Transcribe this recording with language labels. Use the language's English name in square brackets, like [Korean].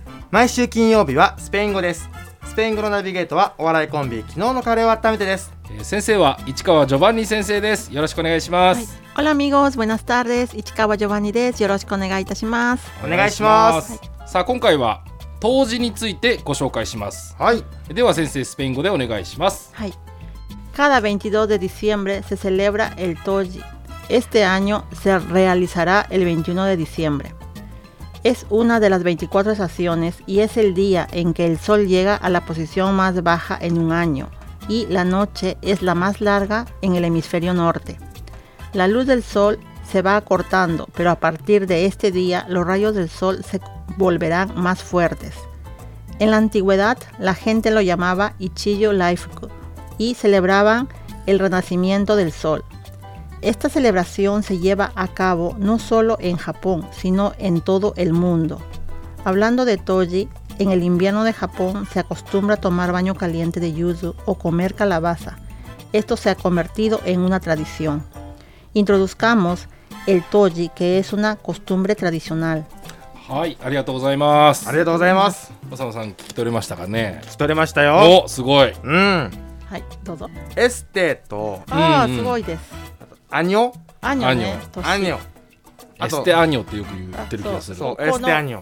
[Japanese] 毎週金曜日はスペイン語です。スペイン語のナビゲートはお笑いコンビ昨日のカレーを温めてです。先生は市川ジョバンニ先生です。よろしくお願いします。オラミゴーズ、ブエナスタールです。市川ジョバンニです。よろしくお願いいたします。お願いします。さあ今回は冬至についてご紹介します。はい、では先生スペイン語でお願いします。はい。 [Spanish] Cada 22 de diciembre se celebra el Toji. Este año se realizará el 21 de diciembre. Es una de las 24 estaciones y es el día en que el sol llega a la posición más baja en un año y la noche es la más larga en el hemisferio norte. La luz del sol se va acortando, pero a partir de este día los rayos del sol se volverán más fuertes. En la antigüedad, la gente lo llamaba Ichijo Laifuku y celebraban el renacimiento del sol. Esta celebración se lleva a cabo no solo en Japón, sino en todo el mundo. Hablando de Toji, en el invierno de Japón se acostumbra a tomar baño caliente de yuzu o comer calabaza. Esto se ha convertido en una tradición. Introduzcamos el Toji, que es una costumbre tradicional. [Japanese] はい、ありがとうございます。ありがとうございます。おさまさん、聞き取れましたかね。聞き取れましたよ。お、すごい。うん。はい、どうぞ。エステと、あー、すごいです。アニョ？アニョね。アニョ。エステアニョってよく言ってる気がする。そう、エステアニョ。